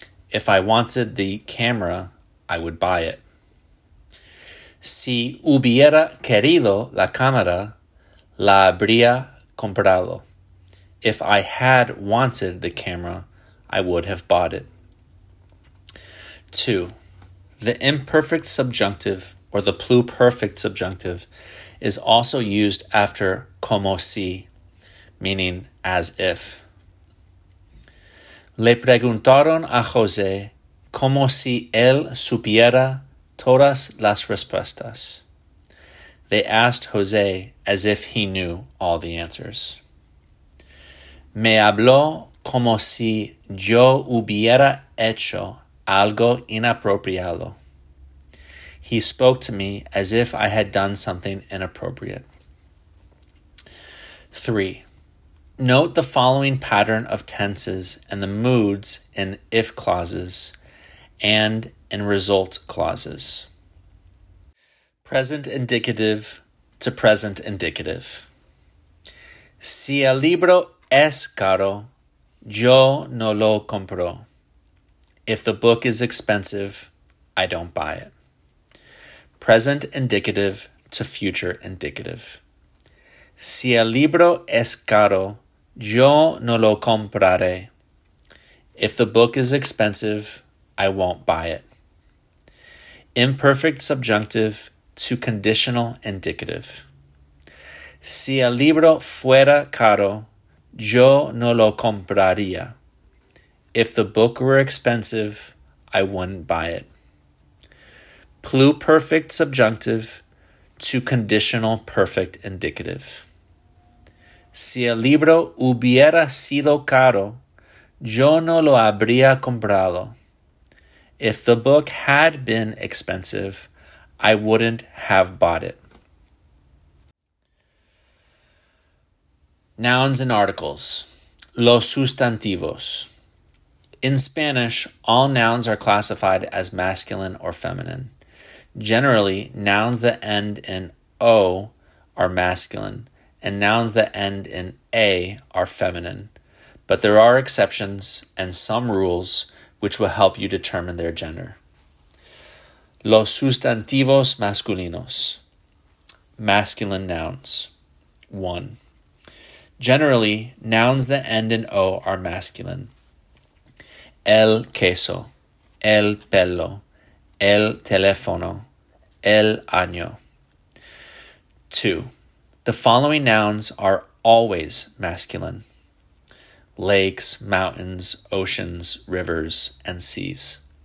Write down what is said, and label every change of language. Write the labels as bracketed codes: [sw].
[en] If I wanted the camera, I would buy it. [es] Si hubiera querido la cámara, la habría comprado. [en] If I had wanted the camera, I would have bought it. 2. The imperfect subjunctive or the pluperfect subjunctive is also used after como si, meaning as if. [es] Le preguntaron a José como si él supiera todas las respuestas. [en] They asked José as if he knew all the answers. [es] Me habló como si yo hubiera hecho algo inapropiado. [en] He spoke to me as if I had done something inappropriate. 3. Note the following pattern of tenses and the moods in if clauses and in result clauses. Present indicative to present indicative. [es] Si el libro es caro, yo no lo compro. [en] If the book is expensive, I don't buy it. Present indicative to future indicative. [es] Si el libro es caro, yo no lo compraré. [en] If the book is expensive, I won't buy it. Imperfect subjunctive to conditional indicative. [es] Si el libro fuera caro, yo no lo compraría. [en] If the book were expensive, I wouldn't buy it. Pluperfect subjunctive to conditional perfect indicative. [es] Si el libro hubiera sido caro, yo no lo habría comprado. [en] If the book had been expensive, I wouldn't have bought it. Nouns and articles. [es] Los sustantivos. [en] In Spanish, all nouns are classified as masculine or feminine. Generally, nouns that end in O are masculine, and nouns that end in A are feminine. But there are exceptions and some rules which will help you determine their gender. [es] Los sustantivos masculinos. [en] Masculine nouns. [es] 1. [en] Generally, nouns that end in O are masculine. [es] El queso, el pelo, el teléfono, el año. 2. [en] The following nouns are always masculine. Lakes, mountains, oceans, rivers, and seas.